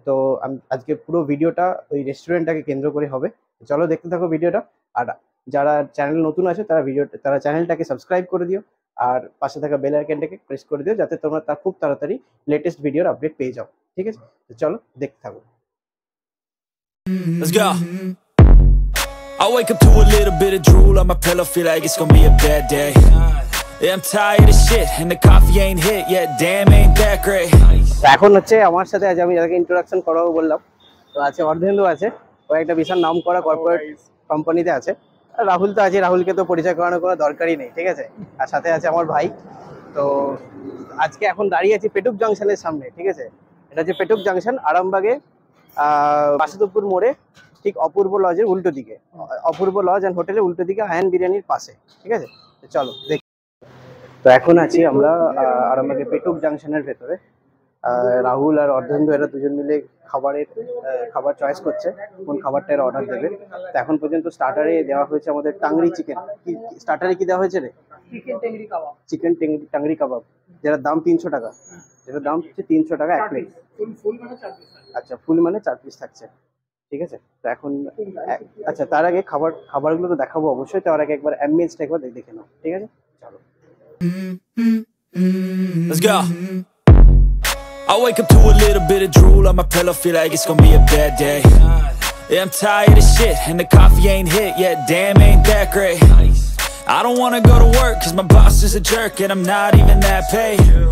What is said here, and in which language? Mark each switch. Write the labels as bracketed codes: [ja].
[bn] তো আমি আজকে পুরো ভিডিওটা ওই রেস্টুরেন্টটাকে কেন্দ্র করে হবে। চলো দেখতে থাকো ভিডিওটা, আর যারা চ্যানেল নতুন আছে তারা ভিডিওটা তারা চ্যানেলটাকে সাবস্ক্রাইব করে দিও, আর পাশে থাকা বেল আইকনটাকে প্রেস করে দিও, যাতে তোমরা তার খুব তাড়াতাড়ি লেটেস্ট ভিডিওর আপডেট পেয়ে যাও, ঠিক আছে? তো চলো দেখতে থাকো। [en] I wake up to a little bit of drool on my pillow, feel like it's gonna be a bad day. Yeah, I'm tired of shit and the coffee ain't hit yet, damn ain't that great. [bn] এখন হচ্ছে আমার সাথে, আজ আমি যাকে introduction করাবো বললাম, তো আছে অর্ধেন্দু, আছে ও একটা বিশাল নাম করা কর্পোরেট কোম্পানিতে আছে। রাহুল তো আছে, রাহুলকে তো পরিচয় করানোর কোনো দরকারই নেই, ঠিক আছে? আর সাথে আছে আমার ভাই। তো আজকে এখন দাঁড়িয়ে আছি পেটুক জাংশনের সামনে, ঠিক আছে? এটা হচ্ছে পেটুক জাংশন, আরামবাগে বাসুদেবপুর মোড়ে, ঠিক অপূর্ব লজের উল্টো দিকে, অপূর্ব লজ এন্ড হোটেলের উল্টো দিকে, আয়ান বিরিয়ানির পাশে, ঠিক আছে? চলো দেখি। তো এখন আছি আমরা আরামবাগে পেটুক জাংশনের ভেতরে। রাহুল আর অর্ধেন্দু এরা দুজন মিলে খাবারের খাবার চয়েস করছে, কোন খাবারটা এরা অর্ডার দেবে। তো এখন পর্যন্ত স্টার্টারে দেওয়া হয়েছে আমাদের টাংরি চিকেন। স্টার্টারে কি দেওয়া হয়েছে রে? চিকেন টেংরি, টাংরি কাবাব, যেটার দাম 300 টাকা, যেটার দাম হচ্ছে 300 টাকা এক প্লেট। আচ্ছা, ফুল মানে 4 পিস থাকছে, ঠিক আছে? তো এখন আচ্ছা, তার আগে খাবার খাবারগুলো তো দেখাবো অবশ্যই, তার আগে একবার অ্যাম্বিয়েন্সটা একবার দেখে নাও, ঠিক আছে? চলো। [en] I wake up to a little bit of drool on my pillow, feel like it's gonna be a bad day. Yeah, I'm tired of shit and the coffee ain't hit yet, damn ain't that great. I don't wanna go to work cause my boss is a jerk and I'm not even that paid.